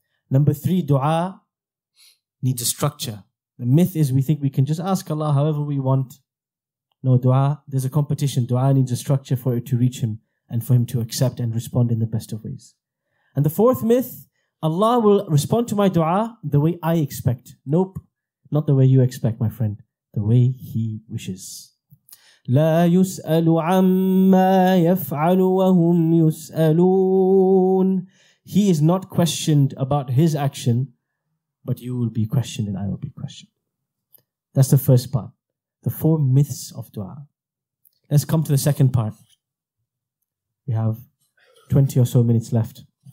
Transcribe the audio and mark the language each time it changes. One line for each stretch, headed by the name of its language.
English: Number three, dua needs a structure. The myth is we think we can just ask Allah however we want. No, dua, there's a competition. Dua needs a structure for it to reach Him and for Him to accept and respond in the best of ways. And the fourth myth, Allah will respond to my dua the way I expect. Nope, not the way you expect, my friend. The way He wishes.
Arabic: لا يسأل عما يفعل وهم يسألون.
English: He is not questioned about His action, but you will be questioned and I will be questioned. That's the first part. The four myths of dua. Let's come to the second part. We have 20 or so minutes left.